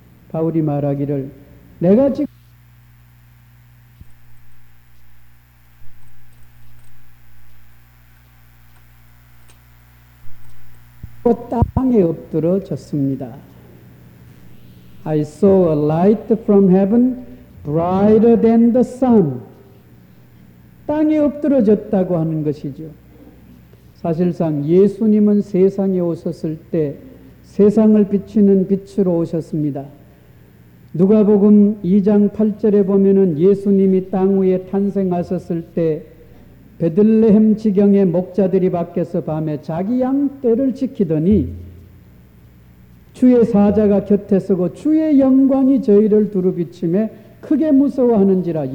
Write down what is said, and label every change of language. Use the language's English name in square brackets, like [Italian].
[Korean] 바울이 말하기를 내가 지금 땅에 엎드러졌습니다. [English] I saw a light from heaven brighter than the sun. [Korean] 땅에 엎드러졌다고 하는 것이죠. 사실상 예수님은 세상에 오셨을 때 세상을 비추는 빛으로 오셨습니다. 누가복음 2장 8절에 보면은 예수님이 땅 위에 탄생하셨을 때 베들레헴 지경의 목자들이 밖에서 밤에 자기 양떼를 지키더니 주의 사자가 곁에 서고 주의 영광이 저희를 두루비침에 크게 무서워하는지라.